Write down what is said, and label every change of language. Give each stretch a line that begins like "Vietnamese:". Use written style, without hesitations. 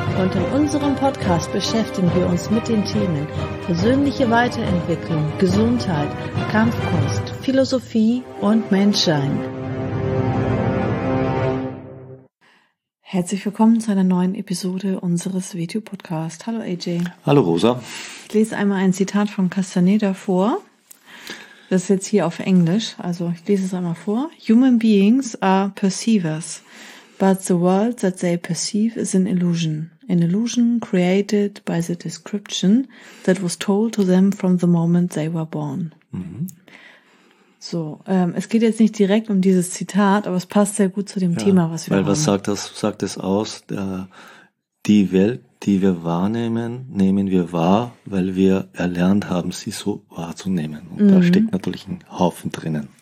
German: Und in unserem Podcast beschäftigen wir uns mit den Themen persönliche Weiterentwicklung, Gesundheit, Kampfkunst, Philosophie und Menschsein. Herzlich willkommen zu einer neuen Episode unseres WTU-Podcasts. Hallo AJ. Hallo Rosa. Ich lese einmal ein Zitat von Castaneda vor. Das ist jetzt hier auf Englisch. Also ich lese es einmal vor.
English: Human beings are perceivers, but the world that they perceive is an illusion created by the description that was told to them from the moment they were born. Mhm.
German: So, es geht jetzt nicht direkt um dieses Zitat, aber es passt sehr gut zu dem Thema, was wir weil haben. Weil was sagt das aus? Die Welt, die wir wahrnehmen, nehmen wir wahr, weil wir erlernt haben, sie so wahrzunehmen. Und da steckt natürlich ein Haufen drinnen.